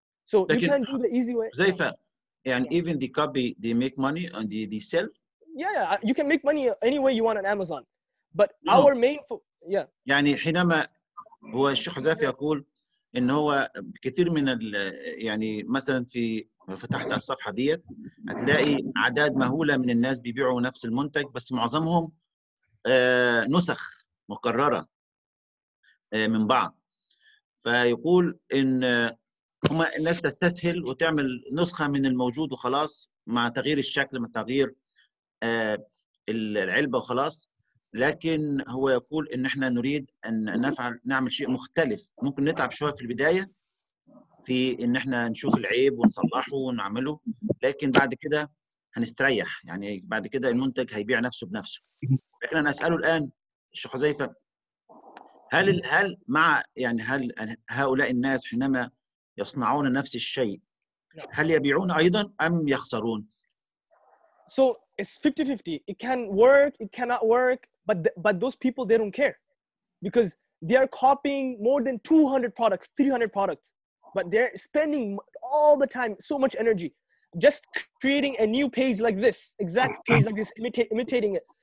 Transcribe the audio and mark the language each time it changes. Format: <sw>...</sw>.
<en>So you can do the easy way. Zayfa, and yeah. Even the copy, they make money and they sell? Yeah, you can make money any way you want on Amazon. But no. Our main... Yeah.</en> <ar>يعني حينما هو الشيخ زايفا يقول إن هو كثير من يعني مثلا في فتحت الصفحة ديت هتلاقي أعداد مهولة من الناس بيبيعوا نفس المنتج بس معظمهم نسخ مكررة من بعض فيقول إن هما الناس تستسهل وتعمل نسخة من الموجود وخلاص مع تغيير الشكل مع تغيير العلبة وخلاص لكن هو يقول إن إحنا نريد أن نعمل شيء مختلف ممكن نتعب شوية في البداية في ان احنا نشوف العيب ونصلحه ونعمله لكن بعد كده هنستريح يعني بعد كده المنتج هيبيع نفسه بنفسه لكن انا اساله الان الشيخ حذيفة هل مع يعني هل هؤلاء الناس حينما يصنعون نفس الشيء هل يبيعون ايضا ام يخسرون</ar> <en>So it's 50-50 it can work it cannot work but those people they don't care because they are copying more than 200 products 300 products But they're spending all the time, so much energy, just creating a new page like this, exact page like this, imitating it.</en>